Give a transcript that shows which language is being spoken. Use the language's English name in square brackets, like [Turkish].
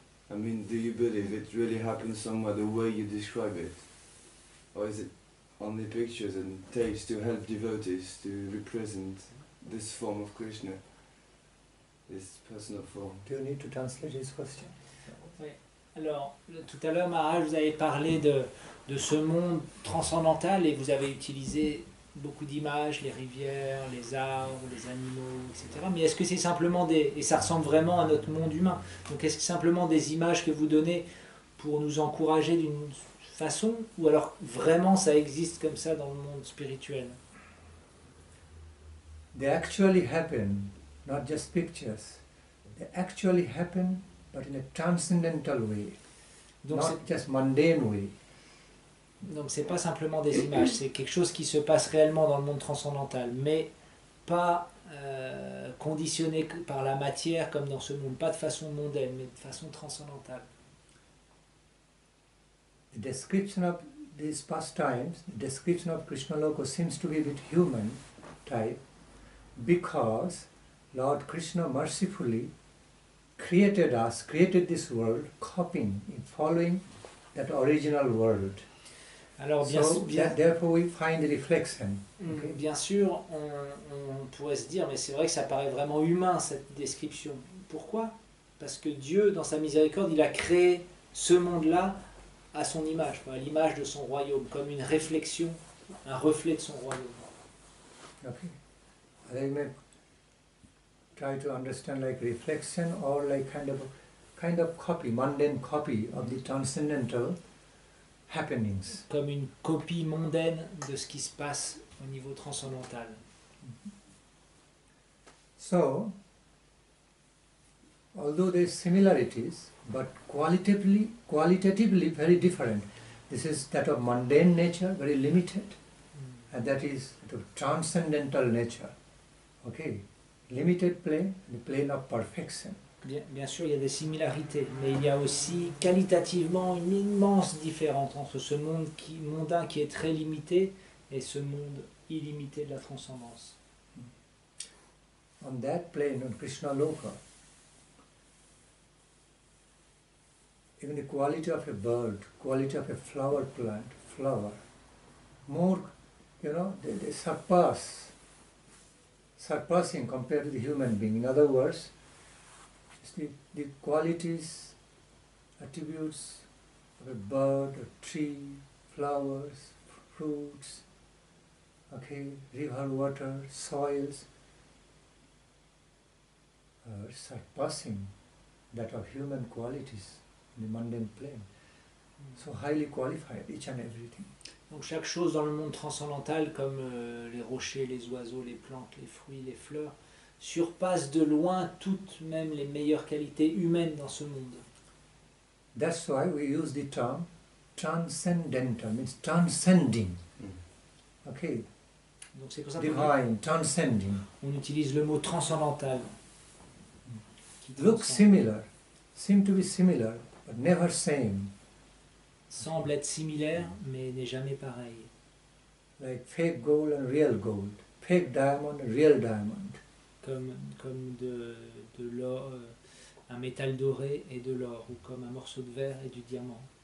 [English] I mean, do you believe it really happens somewhere the way you describe it? Or is it only pictures and tapes to help devotees to represent this form of Krishna, this personal form? Do you need to translate this question? [French] Alors, tout à l'heure, Maharaj, vous avez parlé de ce monde transcendantal et vous avez utilisé beaucoup d'images, les rivières, les arbres, les animaux, etc. Mais est-ce que c'est simplement des... Et ça ressemble vraiment à notre monde humain. Donc est-ce que c'est simplement des images que vous donnez pour nous encourager d'une façon, ou alors vraiment ça existe comme ça dans le monde spirituel? [English] They actually happen, not just pictures. They actually happen, but in a transcendental way. [French] Donc [English] not [French] c'est... [English] just mundane way. [French] Donc c'est pas simplement des images, c'est quelque chose qui se passe réellement dans le monde transcendantal, mais pas conditionné par la matière comme dans ce monde, pas de façon mondaine, mais de façon transcendantale. [English] The description of these pastimes, the description of Krishna Loka seems to be a bit human type, because Lord Krishna mercifully created us, created this world, copying, following that original world. [French] Alors bien, [English] so, [French] bien, [English] therefore we find the reflection. Okay. [French] Bien sûr, on pourrait se dire, mais c'est vrai que ça paraît vraiment humain cette description. Pourquoi? Parce que Dieu, dans sa miséricorde, il a créé ce monde-là à son image, à l'image de son royaume, comme une réflexion, un reflet de son royaume. [English] Okay. I may try to understand like reflection or like kind of copy, mundane copy of the transcendental. Happenings. [French] Comme une copie mondaine de ce qui se passe au niveau transcendantal. [English] So, although there are similarities, but qualitatively very different. This is that of mundane nature, very limited, and that is the transcendental nature. Okay, limited plane, the plane of perfection. [French] Bien sûr, il y a des similarités, mais il y a aussi qualitativement une immense différence entre ce monde qui, mondain qui est très limité et ce monde illimité de la transcendance. [English] On that plane, on Krishna Loka, even the quality of a bird, quality of a flower plant, flower, more, you know, they surpassing compared to the human being. In other words, the qualities, attributes of a bird, a tree, flowers, fruits, okay, river water, soils, are surpassing that of human qualities in the mundane plane. So highly qualified, each and everything. [French] Donc chaque chose dans le monde transcendantal, comme les rochers, les oiseaux, les plantes, les fruits, les fleurs, surpasse de loin toutes même les meilleures qualités humaines dans ce monde. [English] That's why we use the term transcendental, means transcending. Okay. [French] Donc c'est pour ça [English] que divine, transcending. [French] On utilise le mot transcendantal. [English] Looks similar, seem to be similar, but never same. [French] Semble être similaire, mais n'est jamais pareil. [English] Like fake gold and real gold, fake diamond and real diamond. [French] Comme de l'or, un métal doré et de l'or, ou comme un morceau de verre et du diamant.